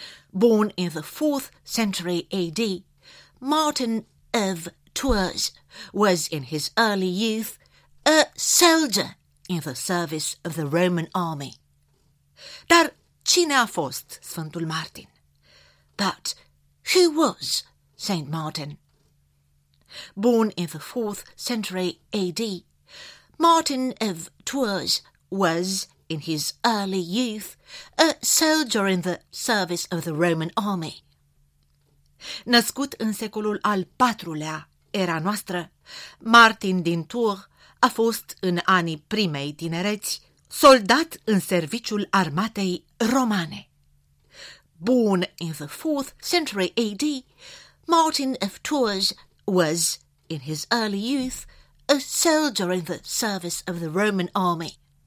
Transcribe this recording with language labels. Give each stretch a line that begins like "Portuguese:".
English: Born in the 4th century AD, Martin of Tours was in his early youth a soldier in the service of the Roman army.
Romanian: Dar cine a fost Sfântul Martin?
English: But who was Saint Martin? Born in the 4th century AD, Martin of Tours was, in his early youth, a soldier in the service of the Roman army.
Romanian: Născut în secolul al IV-lea era noastră, Martin din Tours a fost în anii primei tinereți soldat în serviciul armatei romane.
English: Born in the 4th century AD, Martin of Tours was, in his early youth, a soldier in the service of the Roman army.